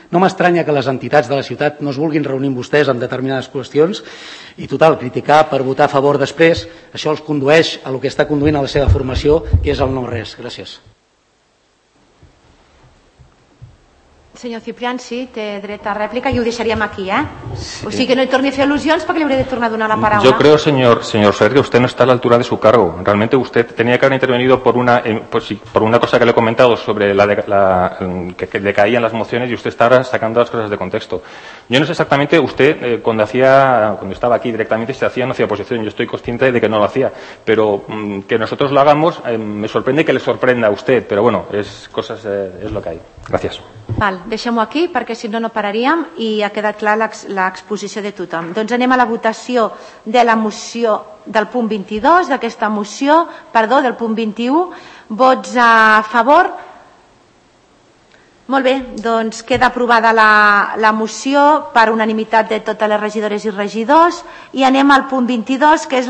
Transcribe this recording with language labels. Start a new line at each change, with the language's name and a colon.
Catalan: No m'estranya que les entitats de la ciutat no es vulguin reunir amb vostès en determinades qüestions i, total, criticar per votar a favor després, això els condueix a el que està conduint a la seva formació, que és el no-res. Gràcies. Senyor Ciprián, sí, té dret a rèplica i ho deixaríem aquí, eh? Sí. O sigui que no hi torni a fer al·lusions perquè li hauré de tornar a donar la paraula.
Spanish: Jo creo, señor Soler, que usted no está a la altura de su cargo. Realmente usted tenía que haber intervenido por una cosa que le he comentado sobre la que decaían las mociones y usted está sacando las cosas de contexto. Yo no sé exactamente usted cuando estaba aquí directamente si hacía o no hacía oposición. Yo estoy consciente de que no lo hacía, pero que nosotros lo hagamos me sorprende que le sorprenda a usted, pero bueno, es lo que hay. Gracias.
Catalan: Val, deixem-ho aquí perquè si no pararíem i ha quedat clar l'exposició de tothom. Doncs anem a la votació de la moció del punt 22, d'aquesta moció, perdó, del punt 21. Vots a favor? Molt bé, doncs queda aprovada la moció per unanimitat de totes les regidores i regidors i anem al punt 22, que és la